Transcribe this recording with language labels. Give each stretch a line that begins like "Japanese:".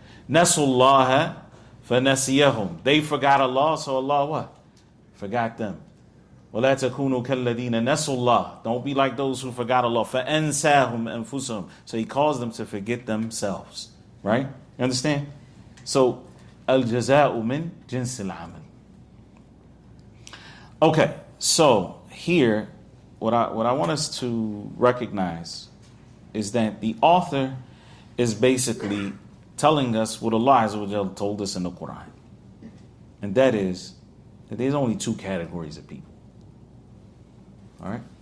Arabic: Nasullaha. فَنَسِيَهُمْ.
English: They forgot Allah, so Allah what? Forgot them.
Arabic: وَلَا تَكُونُوا كَالَّذِينَ نَسُوا اللَّهِ.
English: Don't be like those who forgot Allah.
Arabic: فَأَنْسَاهُمْ أَنْفُسَهُمْ.
English: So he caused them to forget themselves. Right? You understand?
Arabic: So, الْجَزَاءُ مِنْ جِنْسِ الْعَمَلِ.
English: Okay, so here, what I want us to recognize is that the author is basically telling us what Allah told us in the Quran. And that is that there's only two categories of people. Alright?